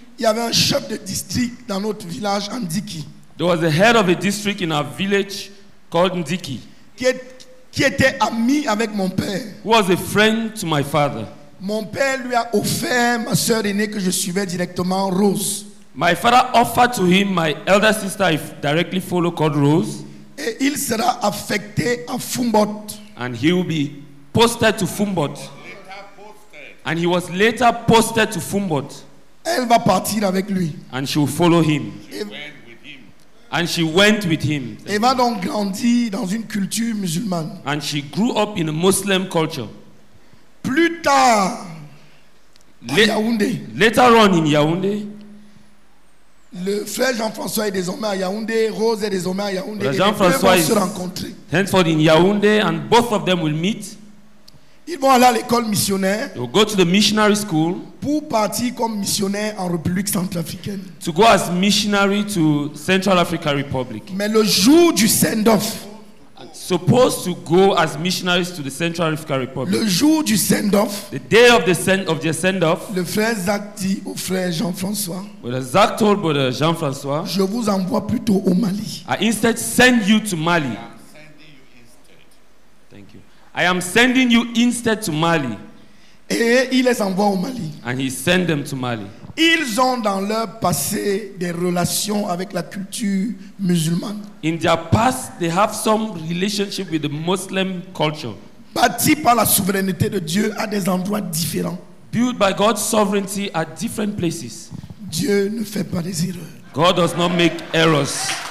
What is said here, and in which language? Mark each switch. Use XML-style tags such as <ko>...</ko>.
<fr>il y avait un chef de district dans notre village Ndiki.</fr> <en>There was a head of a district in our village called Ndiki.</en> <fr>Qui était ami avec mon père.</fr> <en>Who was a friend to my father.</en> <fr>Mon père lui a offert ma sœur aînée que je suivais directement, Rose.</fr> <en>My father offered to him my elder sister if directly follow called Rose.</en> <fr>Et il sera affecté à Fumbot.</fr> <en>And he will be posted to Fumbot. Later posted. And he was later posted to Fumbot.</en> <fr>Elle va partir avec lui.</fr> <en>And she will follow him. And she went with him.</en> <fr>Elle va donc grandir dans une culture musulmane.</fr> <en>And she grew up in a Muslim culture.</en> <fr>Plus tard, à Yaoundé.</fr> <en>Later on in Yaoundé.</en> <fr>Le frère Jean-François est désormais à Yaoundé, Rose est désormais à Yaoundé. Et Jean-François vont se rencontrer.</fr> <en>Henceforth in Yaoundé, and both of them will meet.</en> <fr>Ils vont aller à l'école missionnaire.</fr> <en>They will go to the missionary school.</en> <fr>Pour partir comme missionnaire en République centrafricaine.</fr> <en>To go as missionary to Central African Republic.</en> <fr>Mais le jour du send-off.</fr> <en>supposed to go as missionaries to the Central African Republic.</en> <fr>Le jour du send-off,</fr> <en>the day of the send-off,</en> <fr>le frère Zach dit au frère Jean-François,</fr> <en>brother Zach told brother Jean-François,</en> <fr>je vous envoie plutôt au Mali.</fr> <en>I instead send you to Mali. I am sending you instead to Mali.</en> <fr>Et il les envoie au Mali.</fr> <en>And he sent them to Mali.</en> <fr>Ils ont dans leur passé des relations avec la culture musulmane.</fr> <en>In their past, they have some relationship with the Muslim culture.</en> <fr>Bâti par la souveraineté de Dieu à des endroits différents.</fr> <en>Built by God's sovereignty at different places.</en> <fr>Dieu ne fait pas des erreurs.</fr> <en>God does not make errors.</en>